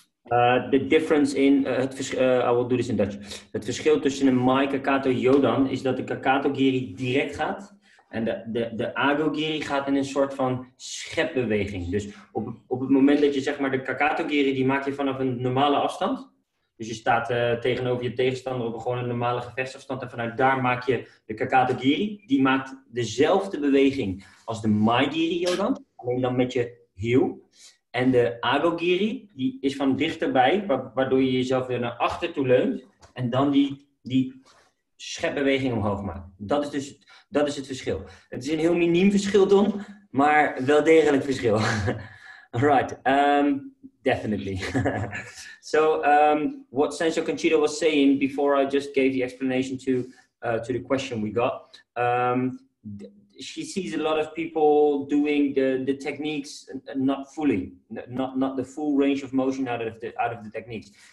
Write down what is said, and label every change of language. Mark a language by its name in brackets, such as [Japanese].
[English] The difference in, I will do this in Dutch. [Dutch] Het verschil tussen een Mai Kakato Yodan is dat de Kakato Giri direct gaat. En de Ago Giri gaat in een soort van schepbeweging. Dus op het moment dat je zeg maar de Kakato Giri, die maak je vanaf een normale afstand. Dus je staat tegenover je tegenstander op gewoon een normale gevechtsafstand. En vanuit daar maak je de Kakato Giri. Die maakt dezelfde beweging als de Mai Giri Yodan. Alleen dan met je heel. En de Agogiri, die is van dichterbij, waardoor je jezelf weer naar achter toe leunt. En dan die schepbeweging omhoog maakt. Dat is dus dat is het verschil. Het is een heel miniem verschil, Don, maar wel degelijk verschil. [English] Right, definitely. So, what Sensei Conchita was saying before I just gave the explanation to the question we got. She sees a lot of people doing the techniques not fully, not the full range of motion out of the techniques.